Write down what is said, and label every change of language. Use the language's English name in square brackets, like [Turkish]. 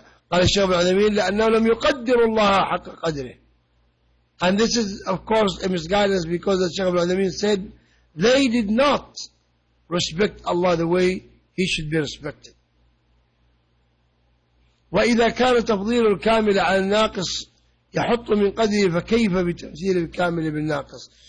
[Arabic] قال الشيخ ابن عثيمين لأنه لم يقدر الله حق قدره. [English] And this is of course a misguidance, because the Shaykh ibn Uthaymeen said they did not respect Allah the way He should be respected. [Arabic] وإذا كان تفضيل الكامل على الناقص يحط من قدره فكيف بتمثيل الكامل بالناقص.